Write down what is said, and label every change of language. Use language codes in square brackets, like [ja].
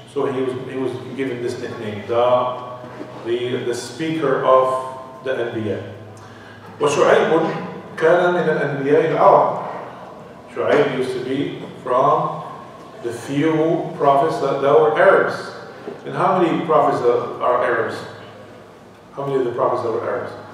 [en] So he was given this nickname, the speaker of the أنبياء. [ar] وشعيب كان من الأنبياء العرب. [en] شعيب used to be from the few prophets that were Arabs. And how many prophets are Arabs? How many of the prophets that were Arabs?